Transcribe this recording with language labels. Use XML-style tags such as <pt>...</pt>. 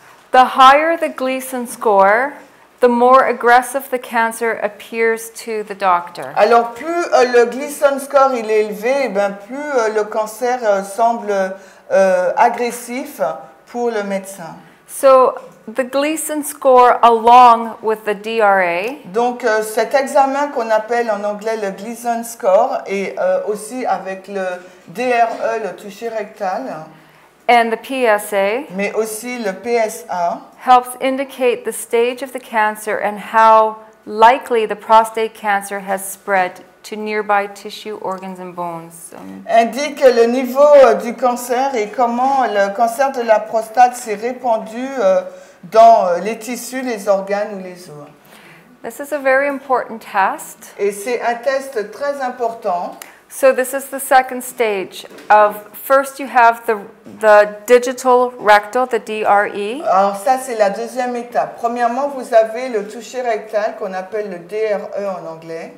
<en>The higher the Gleason score, the more aggressive the cancer appears to the doctor.</en> <fr>Alors plus le Gleason score il est élevé, et ben plus le cancer semble agressif pour le médecin.</fr> <en>So the Gleason score along with the DRA.</en> <fr>Donc cet examen qu'on appelle en anglais le Gleason score et aussi avec le DRE, le toucher rectal.</fr> <en>And the PSA.</en> <fr>Mais aussi le PSA.</fr> <en>Helps indicate the stage of the cancer and how likely the prostate cancer has spread to nearby tissue, organs and bones.</en> <fr>Indique le niveau du cancer et comment le cancer de la prostate s'est répandu dans les tissus, les organes ou les os.</fr> <en>This is a very important test.</en> <fr>Et c'est un test très important.</fr> <en>So this is the second stage of first you have the digital rectal, the DRE.</en> <fr>Alors ça c'est la deuxième étape. Premièrement, vous avez le toucher rectal qu'on appelle le DRE en anglais.</fr>